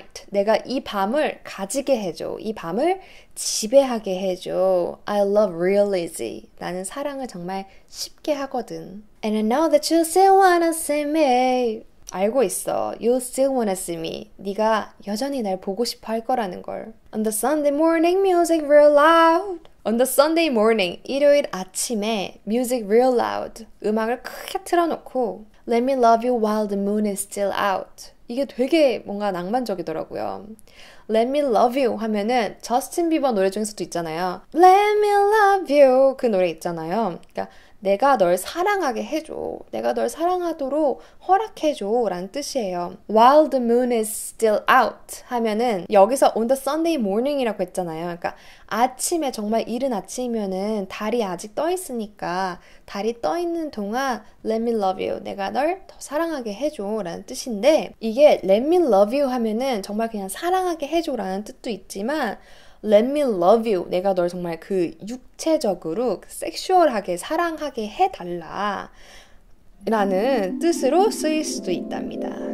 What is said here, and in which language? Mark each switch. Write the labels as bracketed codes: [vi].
[ko] 내가 이 밤을 가지게 해줘. 이 밤을 지배하게 해줘. [en] I love real easy. [ko] 나는 사랑을 정말 쉽게 하거든. [en] And I know that you still wanna see me. [ko] 알고 있어. [en] You still wanna see me. [ko] 네가 여전히 날 보고 싶어 할 거라는 걸. [en] On the Sunday morning, music real loud. On the Sunday morning, [ko] 일요일 아침에 [en] music real loud. [ko] 음악을 크게 틀어놓고 [en] Let me love you while the moon is still out. [ko] 이게 되게 뭔가 낭만적이더라고요. [en] Let me love you [ko] 하면은 저스틴 비버 노래 중에서도 있잖아요. Let me love you 그 노래 있잖아요. 그러니까 내가 널 사랑하게 해줘. 내가 널 사랑하도록 허락해줘. 라는 뜻이에요. [en] While the moon is still out [ko] 하면은 여기서 [en] on the Sunday morning이라고 했잖아요. [ko] 그러니까 아침에 정말 이른 아침이면은 달이 아직 떠 있으니까 달이 떠 있는 동안 [en] Let me love you. [ko] 내가 널더 사랑하게 해줘. 라는 뜻인데 이게 [en] Let me love you [ko] 하면은 정말 그냥 사랑하게 해줘. 라는 뜻도 있지만 [en] Let me love you. [ko] 내가 널 정말 그 육체적으로 섹슈얼하게 사랑하게 해달라 라는 뜻으로 쓰일 수도 있답니다.